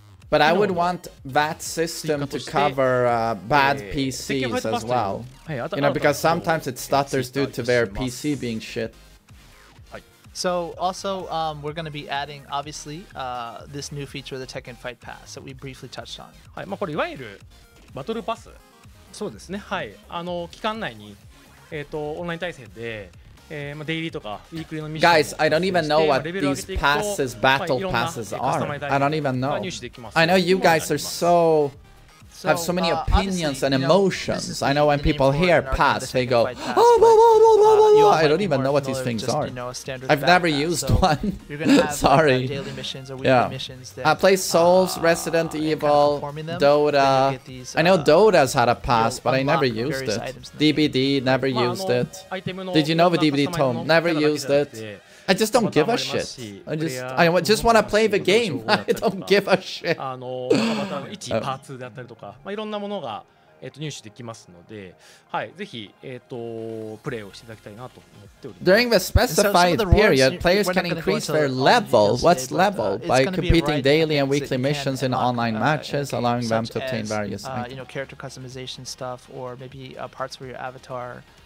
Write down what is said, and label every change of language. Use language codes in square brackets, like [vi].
[en] But I would want that system to cover bad PCs as well. You know, because sometimes it stutters due to their PC being shit. So, also, we're going to be adding, obviously, this new feature of the Tekken Fight Pass that we briefly touched on. [ja] はい、まあこれいわゆるバトルパス。そうですね。はい、あの期間内に、オンライン対戦で。 [en] Guys, I don't even know what these passes, battle passes are. I don't even know. I know you guys are so have so many opinions and emotions. I know when people hear pass, they go, oh, blah, blah, blah, blah, blah, blah. I don't even know what these things are. I've never used one. Sorry. Yeah. I play Souls, Resident Evil, Dota. I know Dota's had a pass, but I never used it. DBD, never used it. Did you know the DBD tome? Never used it. I just don't give a shit. I just want to play the game. I don't give a shit. [ja] あの、また一パーツであったりとか、まあいろんなものが入手できますので、はい、ぜひ、プレイをしていただきたいなと思っております。 [en] During the specified period, players can increase their level. What's level? By competing daily and weekly missions in online matches, allowing them to obtain various items. You know, character customization stuff, or maybe parts for your avatar.